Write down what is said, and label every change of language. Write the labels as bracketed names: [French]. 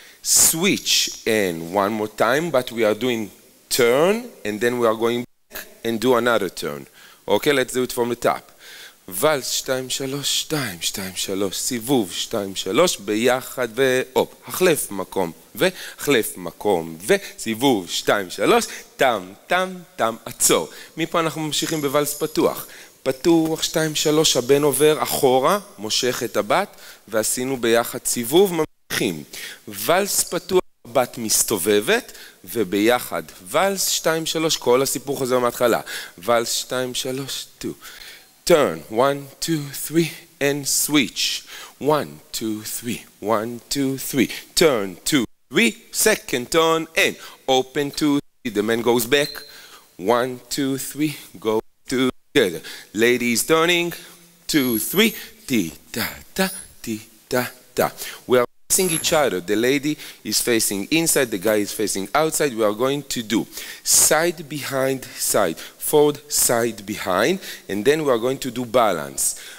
[English] Switch and one more time, but we are doing turn and then we are going back and do another turn. Okay, let's do it from the top. [Hebrew] ולס 2-3-2-3, סיבוב 2-3 ביחד ואופ, החלף מקום וחלף מקום וסיבוב 2-3, טם טם טם, עצור. מפה אנחנו ממשיכים בוולס פתוח, פתוח 2-3, הבן עובר אחורה, מושך את הבת ועשינו ביחד סיבוב, ממשיכים. וולס פתוח, הבת מסתובבת וביחד וולס 2-3, כל הסיפור חוזר מההתחלה. [English] וולס 2-3, 2 turn, 1-2-3 and switch, 1-2-3, 1-2-3, turn, 2-3, second turn and open, 2-3, the man goes back, 1-2-3, go together, ladies turning, 2-3, ti-ta-ta, ti-ta-ta, we are facing each other, the lady is facing inside, the guy is facing outside, we are going to do side behind side, forward side behind, and then we are going to do balance,